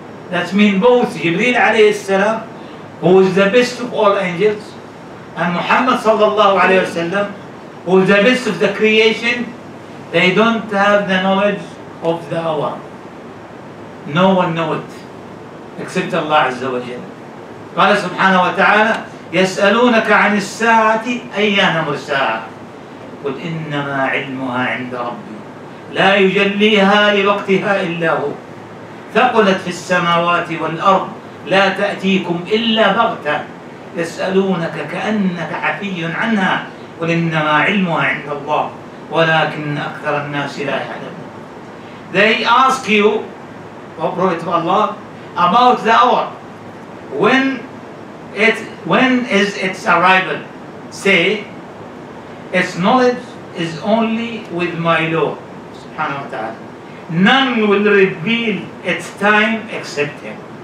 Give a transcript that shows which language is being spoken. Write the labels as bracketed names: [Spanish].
[English] That means both Jibreel alayhi salam, who is the best of all angels, and Muhammad sallallahu alayhi wasallam, who is the best of the creation, they don't have the knowledge of the hour. No one knows it except Allah Azza wa Jalla. [Arabic] قال سبحانه وتعالى يسألونك عن الساعة أيان مرساها قل إنما علمها عند ربي لا يجليها لوقتها إلا هو ثقلت في السماوات والأرض لا تأتيكم إلا بغتة يسألونك كأنك حفي عنها قل إنما علمها عند الله ولكن أكثر الناس لا يعلمون. [English] They ask you, O Prophet of Allah, about the hour. When is its arrival? Say, its knowledge is only with my Lord, subhanahu wa ta'ala. None will reveal its time except him.